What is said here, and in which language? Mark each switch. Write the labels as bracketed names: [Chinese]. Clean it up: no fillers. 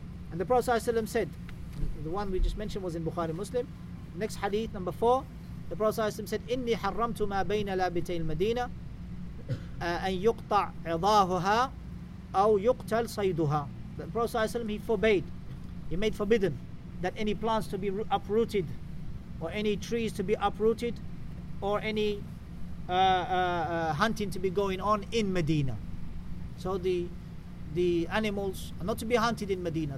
[English] And the Prophet ﷺ said, the one we just mentioned was in Bukhari Muslim. Next hadith, number 4, the Prophet ﷺ said, [Arabic] إِنِّي حَرَّمْتُ مَا بَيْنَ لَابِتَيْنِ الْمَدِينَةِ أَنْ يُقْطَعْ عِضَاهُهَا أَوْ يُقْتَلْ صَيْدُهَا. [English] The Prophet ﷺ, he made forbidden that any plants to be uprooted, or any trees to be uprooted, or any hunting to be going on in Medina. So the animals are not to be hunted in Medina.